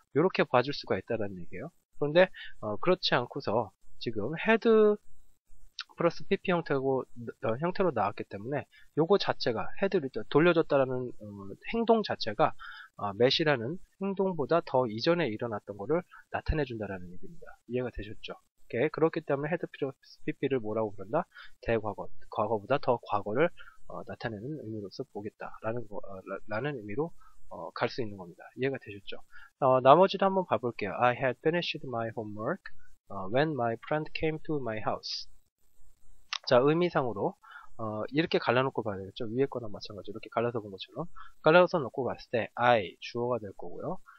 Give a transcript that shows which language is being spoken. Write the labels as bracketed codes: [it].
[ko] 요렇게 봐줄 수가 있다라는 얘기예요. 그런데 그렇지 않고서 지금 had 플러스 pp 형태로 나왔기 때문에 요거 자체가 had를 돌려줬다라는 행동 자체가 met이라는 행동보다 더 이전에 일어났던 거를 나타내 준다라는 얘기입니다. 이해가 되셨죠? 그렇기 때문에 had 플러스 pp를 뭐라고 부른다? 대과거. 과거보다 더 과거를 나타내는 의미로서 보겠다라는 거, 라는 의미로 갈 수 있는 겁니다. 이해가 되셨죠? 나머지도 한번 봐볼게요. [en] I had finished my homework when my friend came to my house. [ko] 자, 의미상으로 이렇게 갈라놓고 봐야 되겠죠? 위에 거나 마찬가지로 이렇게 갈라서 본 것처럼 갈라서 놓고 봤을 때 I 주어가 될 거고요.